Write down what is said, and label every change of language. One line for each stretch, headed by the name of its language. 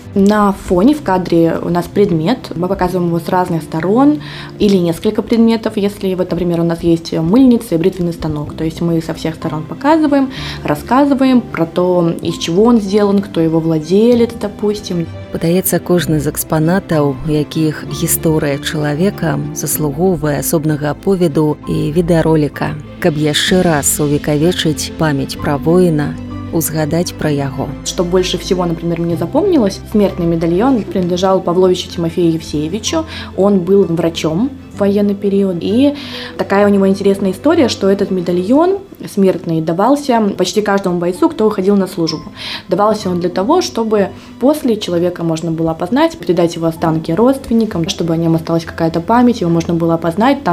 Russian: На фоне, в кадре у нас предмет, мы показываем его с разных сторон, или несколько предметов, если вот, например, у нас есть мыльница и бритвенный станок, то есть мы со всех сторон показываем, рассказываем про то, из чего он сделан, кто его владелец, допустим.
Belarusian: Падаецца, кожны з экспанатаў, якіх гісторыя чалавека заслугоўвае асобнага аповеду і відэароліка, каб яшчэ раз увекавечыць памяць пра воіна, узгадать
Russian: про его. Что больше всего, например, мне запомнилось, смертный медальон принадлежал Павловичу Тимофею Евсеевичу. Он был врачом в военный период. И такая у него интересная история, что этот медальон смертный давался почти каждому бойцу, кто уходил на службу. Давался он для того, чтобы после человека можно было опознать, передать его останки родственникам, чтобы о нем осталась какая-то память, его можно было опознать.